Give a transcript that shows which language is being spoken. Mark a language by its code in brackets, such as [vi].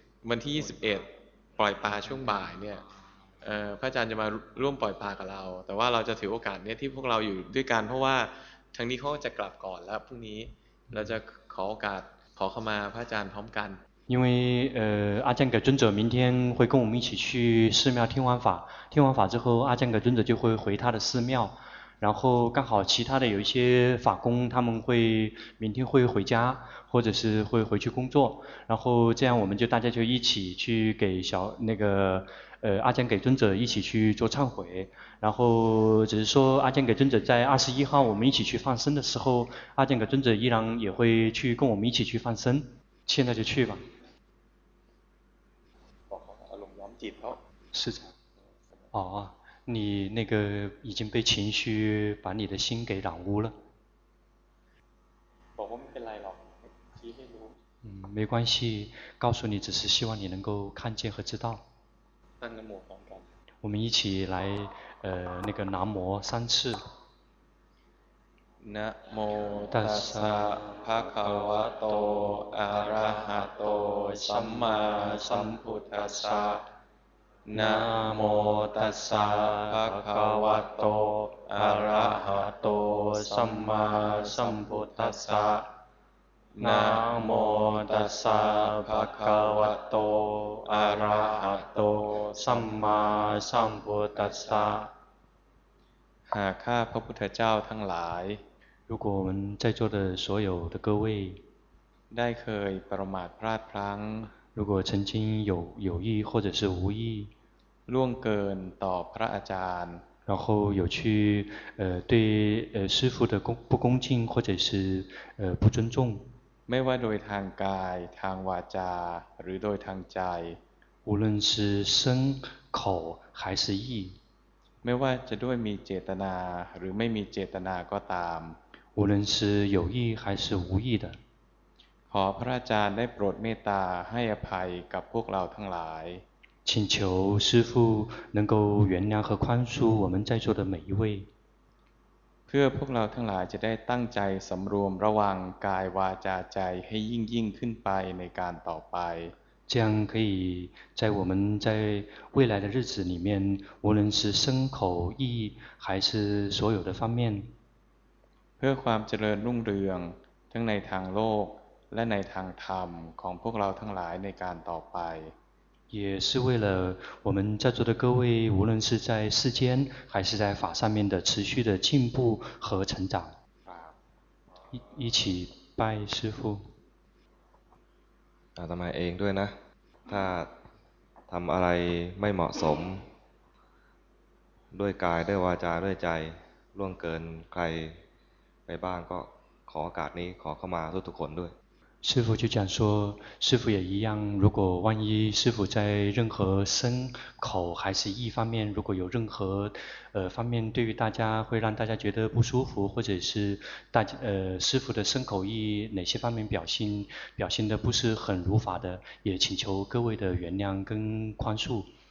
[th] วันที่21ปล่อยปลาช่วงบ่ายเนี่ยพระอาจารย์จะมาร่วมปล่อยปลากับเราแต่ว่าเราจะถือโอกาสเนี่ยที่พวกเราอยู่ด้วยกันเพราะว่าทางนี้เขาจะกลับก่อนแล้วพรุ่งนี้เราจะขอโอกาสขอเข้ามาพระอาจารย์พร้อมกัน [zh] 因为阿江给尊者明天会跟我们一起去寺庙听完法，听完法之后，阿江给尊者就会回他的寺庙，然后刚好其他的有一些法工他们会明天会回家，或者是会回去工作，然后这样我们就大家就一起去给小那个阿江给尊者一起去做忏悔，然后只是说阿江给尊者在21号我们一起去放生的时候，阿江给尊者依然也会去跟我们一起去放生。现在就去吧。是的。哦，你那个已经被情绪把你的心给染污了。没关系，告诉你只是希望你能够看见和知道。我们一起来那个南无三次。 [pi] นะโมตัสสะภะคะวะโตอะระหะโตสัมมาสัมพุทธัสสะนะโมตัสสะภะคะวะโตอะระหะโตสัมมาสัมพุทธัสสะนะโมตัสสะภะคะวะโตอะระหะโตสัมมาสัมพุทธัสสะ [th] หากข้าพระพุทธเจ้าทั้งหลาย [zh] 如果我们在座的所有的各位 [th] ได้เคยประมาทพลาดพลั้ง [zh] 如果曾经有意或者是无意 [th] ล่วงเกินต่อพระอาจารย์ [zh] 然后有去对师父的不恭敬或者是不尊重 [th] ไม่ว่าโดยทางกายทางวาจาหรือโดยทางใจ [zh] 无论是身口还是意 [th] ไม่ว่าจะด้วยมีเจตนาหรือไม่มีเจตนาก็ตาม [zh] 无论是有意还是无意的 [th] ขอพระอาจารย์ได้โปรดเมตตาให้อภัยกับพวกเราทั้งหลาย [zh] 请求师父能够原谅和宽恕我们在座的每一位 [th] เพื่อพวกเราทั้งหลายจะได้ตั้งใจสำรวมระวังกายวาจาใจให้ยิ่งขึ้นไปในการต่อไป [zh] 这样可以在我们在未来的日子里面无论是身口意还是所有的方面 [th] เพื่อความเจริญรุ่งเรืองทั้งในทางโลกและในทางธรรมของพวกเราทั้งหลายในการต่อไป [zh] 也是为了我们在座的各位无论是在世间还是在法上面的持续的进步和成长一起拜师父 [th] อาตมาเองด้วยนะถ้าทำอะไรไม่เหมาะสมด้วยกายด้วยวาจาด้วยใจล่วงเกินใครไปบ้างก็ขอโอกาสนี้ขอเข้ามาทุกคนด้วย [zh] 师父就讲说师父也一样如果万一师父在任何身口还是意方面如果有任何方面对于大家会让大家觉得不舒服或者是大家师父的身口意哪些方面表现的不是很如法的也请求各位的原谅跟宽恕